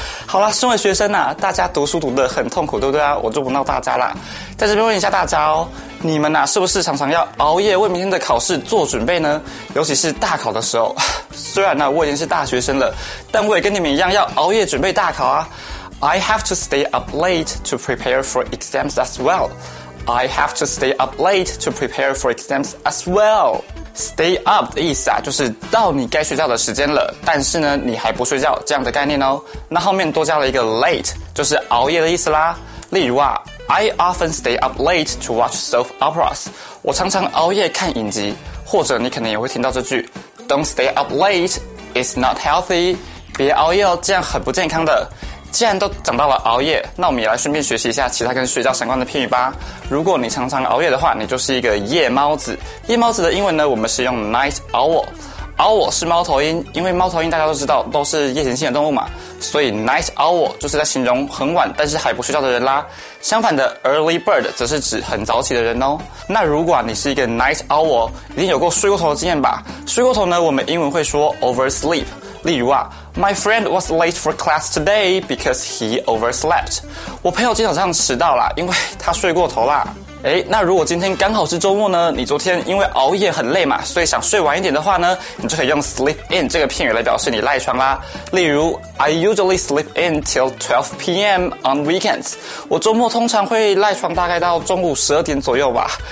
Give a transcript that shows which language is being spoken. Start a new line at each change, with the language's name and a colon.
Chinese: 好啦，身为学生呢，大家读书读得很痛苦，对不对啊？我就不闹大家啦。在这边问一下大家哦。你们啊，是不是常常要熬夜为明天的考试做准备呢？尤其是大考的时候，虽然呢我已经是大学生了，但我也跟你们一样要熬夜准备大考啊。
English: I have to stay up late to prepare for exams as well. I have to stay up late to prepare for exams as well.
Chinese: Stay up 的意思啊，就是到你该睡觉的时间了，但是呢你还不睡觉这样的概念哦。那后面多加了一个 late， 就是熬夜的意思啦。例如啊。
English: I often stay up late to watch soap operas.
Chinese: 我常常熬夜看影集，或者你可能也会听到这句
English: Don't stay up late, it's not healthy.
Chinese: 别熬夜哦，这样很不健康的。既然都讲到了熬夜，那我们也来顺便学习一下其他跟睡觉相关的片语吧。如果你常常熬夜的话，你就是一个夜猫子。夜猫子的英文呢，我们是用 night owl。 Owl 是猫头鹰，因为猫头鹰大家都知道都是夜行性的动物嘛，所以 night owl 就是在形容很晚但是还不睡觉的人啦。相反的 early bird 则是指很早起的人哦。那如果你是一个 night owl， 一定有过睡过头的经验吧？睡过头呢，我们英文会说 oversleep。例如啊
English: ，My friend was late for class today because he overslept。
Chinese: 我朋友今天早上迟到啦，因为他睡过头啦。诶，那如果今天刚好是周末呢，你昨天因为熬夜很累嘛，所以想睡晚一点的话呢，你就可以用 sleep in 这个片语来表示你赖床啦。例如
English: I usually sleep in till 12 PM on weekends，
Chinese: 我周末通常会赖床大概到中午12点左右吧。